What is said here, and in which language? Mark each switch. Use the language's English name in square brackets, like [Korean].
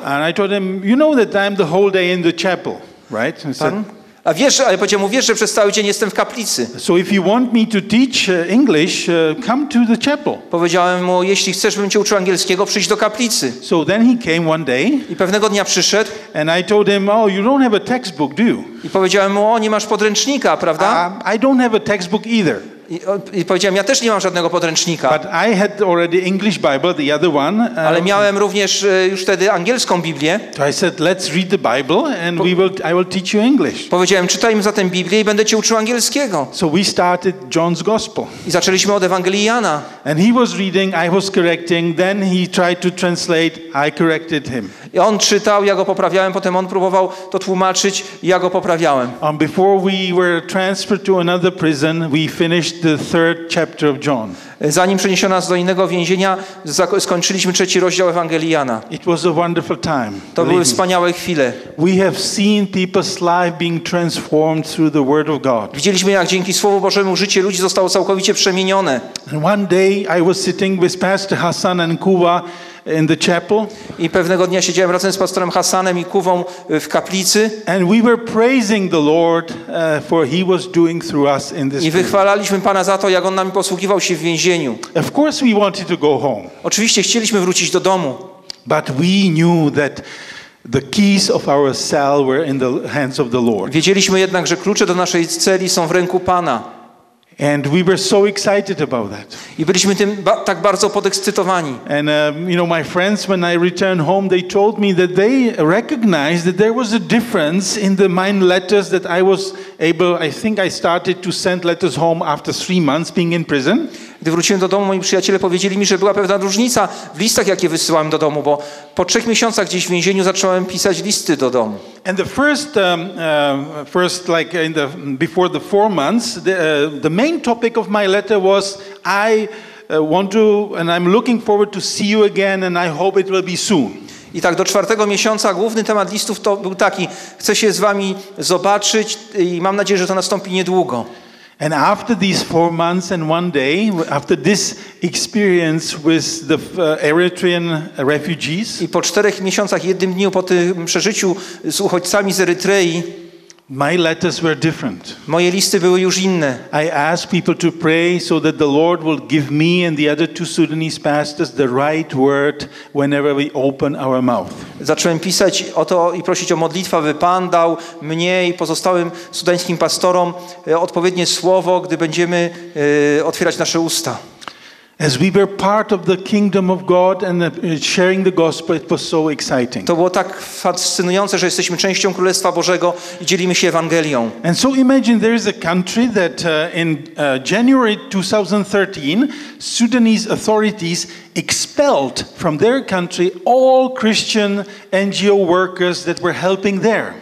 [English] And I told him, you know that I'm the whole day in the chapel, right? [Polish] Pan? A wiesz, ale powiedział mu, wiesz, że przez cały dzień jestem w kaplicy. [English] So if you want me to teach English, come to the chapel. [Polish] Powiedziałem mu, jeśli chcesz, bym cię uczył angielskiego, przyjdź do kaplicy. [English] So then he came one day. [Polish] I pewnego dnia przyszedł. [English] And I told him, oh, you don't have a textbook, do you? [Polish] I powiedziałem mu, o, nie masz podręcznika, prawda? [English] I don't have a textbook either. [Polish] I powiedziałem, ja też nie mam żadnego podręcznika. [English] But I had already English Bible, the other one. [Polish] Ale miałem również już wtedy angielską Biblię. [English] So I said, let's read the Bible and I will teach you English. [Polish] Powiedziałem, czytajmy zatem Biblię i będę cię uczył angielskiego. [English] So we started John's Gospel. [Polish] I zaczęliśmy od Ewangelii Jana. [English] And he was reading, I was correcting, then he tried to translate, I corrected him. [Polish] I on czytał, ja go poprawiałem, potem on próbował to tłumaczyć, ja go poprawiałem. [English] Before we were transferred to another prison, we finished the third chapter of John. [Polish] Zanim przeniesiono nas do innego więzienia, skończyliśmy trzeci rozdział Ewangelii Jana. [English] It was a wonderful time. [Polish] To były wspaniałe chwile. [English] We have seen people's life being transformed through the word of God. [Polish] Widzieliśmy, jak dzięki słowu Bożemu życie ludzi zostało całkowicie przemienione. [English] And one day I was sitting with Pastor Hassan and Kuba in the chapel. [Polish] I pewnego dnia siedziałem razem z pastorem Hassanem i Kuwą w kaplicy. [English] And we were praising the Lord for he was doing through us in this. [Polish] I wychwalaliśmy Pana za to, jak on nami posługiwał się w więzieniu. [English] Of course we wanted to go home. [Polish] Oczywiście chcieliśmy wrócić do domu. [English] But we knew that the keys of our cell were in the hands of the Lord. [Polish] Wiedzieliśmy jednak, że klucze do naszej celi są w ręku Pana. [English] And we were so excited about that. [Polish] I byliśmy tym tak bardzo podekscytowani. [English] And you know, my friends, when I returned home, they told me that they recognized that there was a difference in the mine letters that I was able. I think I started to send letters home after 3 months being in prison. [Polish] Gdy wróciłem do domu, moi przyjaciele powiedzieli mi, że była pewna różnica w listach, jakie wysyłałem do domu, bo po 3 miesiącach gdzieś w więzieniu zacząłem pisać listy do domu. [English] And the first, first like in the before the 4 months, the main topic of my letter was I want to and I'm looking forward to see you again and I hope it will be soon. [Polish] I tak do 4 miesiąca główny temat listów to był taki: chcę się z wami zobaczyć i mam nadzieję, że to nastąpi niedługo. [English] And after these 4 months and one day, after this experience with the Eritrean refugees, [Polish] i po 4 miesiącach i 1 dniu po tym przeżyciu z uchodźcami z Erytrei, [English] my letters were different. [Polish] Moje listy były już inne. [English] I asked people to pray so that the Lord will give me and the other 2 Sudanese pastors the right word whenever we open our mouth. [Polish] Zacząłem pisać o to i prosić o modlitwę, by Pan dał mnie i pozostałym sudańskim pastorom odpowiednie słowo, gdy będziemy otwierać nasze usta. [English] As we were part of the kingdom of God and sharing the gospel, it was so exciting. [Polish] To było tak fascynujące, że jesteśmy częścią Królestwa Bożego i dzielimy się Ewangelią. [English] And so imagine there is a country that in January 2013, Sudanese authorities expelled from their country all Christian NGO workers that were helping there.